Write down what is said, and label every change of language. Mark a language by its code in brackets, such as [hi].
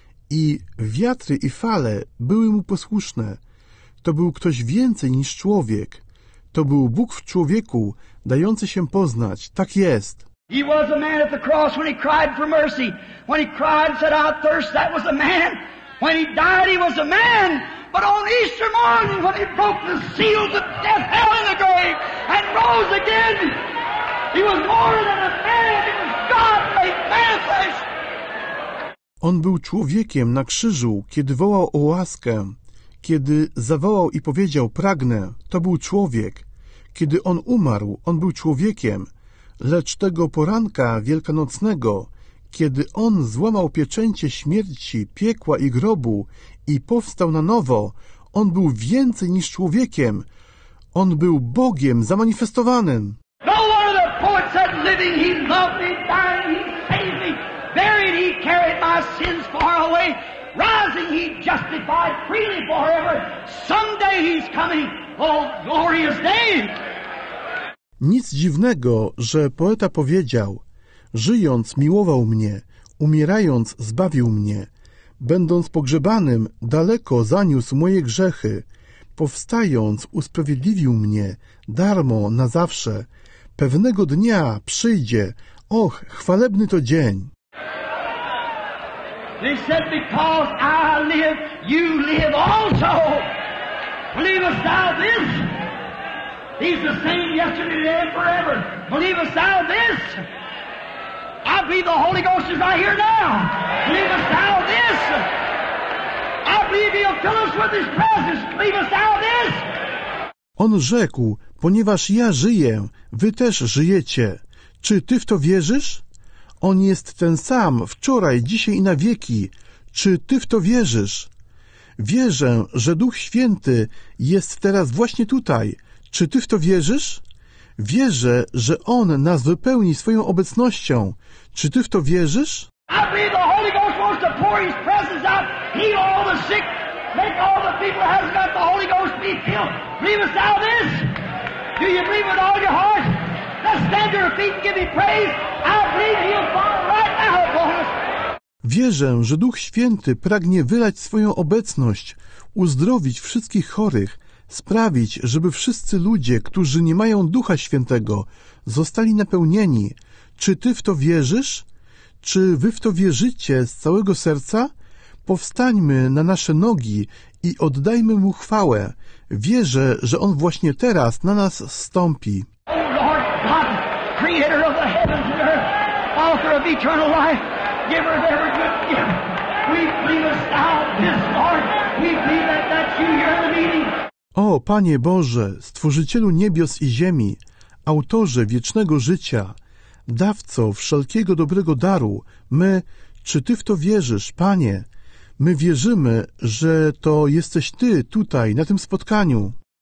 [pl] I wiatry i fale były mu posłuszne. To był ktoś więcej niż człowiek. To był Bóg w człowieku, dający się poznać. Tak jest. [en] He was a man at the cross when he cried for mercy. When he cried and said, "I thirst," that was a man. When he died, he was a man. But on Easter morning, when he broke the seals of death, hell, and the grave, and rose again, he was more than a man. He was God made manifest. [pl] On był człowiekiem na krzyżu, kiedy wołał o łaskę. Kiedy zawołał i powiedział: "Pragnę," to był człowiek. Kiedy on umarł, on był człowiekiem. Lecz tego poranka wielkanocnego, kiedy on złamał pieczęcie śmierci, piekła i grobu i powstał na nowo, on był więcej niż człowiekiem. On był Bogiem zamanifestowanym. [en] No one of the poets said living, he loved me, dying, he saved me. Buried, he carried my sins far away. Rising, he justified freely forever. Someday he's coming. Oh, glorious day! [pl] Nic dziwnego, że poeta powiedział: żyjąc, miłował mnie, umierając, zbawił mnie, będąc pogrzebanym, daleko zaniósł moje grzechy, powstając, usprawiedliwił mnie, darmo, na zawsze, pewnego dnia przyjdzie, och, chwalebny to dzień. [en] They said, because I live, you live also. Believest thou this? He's the same yesterday, today, and forever. Believest thou this? I believe the Holy Ghost is right here now. Believest thou this? I believe he'll fill us with his presence. Believest thou this? [pl] On rzekł: ponieważ ja żyję, wy też żyjecie. Czy ty w to wierzysz? On jest ten sam wczoraj, dzisiaj i na wieki. Czy ty w to wierzysz? Wierzę, że Duch Święty jest teraz właśnie tutaj. Czy ty w to wierzysz? Wierzę, że On nas wypełni swoją obecnością. Czy ty w to wierzysz? [en] I believe the Holy Ghost wants to pour His presence out, heal all the sick, make all the people that hasn't got the Holy Ghost be healed. Believest thou this? Do you believe with all your heart? Let's stand to your feet and give Him praise. I believe He'll fall right now upon us. [pl] Wierzę, że Duch Święty pragnie wylać swoją obecność, uzdrowić wszystkich chorych, sprawić, żeby wszyscy ludzie, którzy nie mają Ducha Świętego, zostali napełnieni. Czy ty w to wierzysz? Czy wy w to wierzycie z całego serca? Powstańmy na nasze nogi i oddajmy Mu chwałę. Wierzę, że On właśnie teraz na nas zstąpi. [en] O Lord God, creator of the heavens and earth, author of eternal life, giver of every good gift, we believe us now, this Lord, we believe that that's you here in the meeting. [pl] O Panie Boże, Stworzycielu niebios i ziemi, Autorze wiecznego życia, Dawco wszelkiego dobrego daru, my, czy Ty w to wierzysz, Panie? My wierzymy, że to jesteś Ty tutaj, na tym spotkaniu.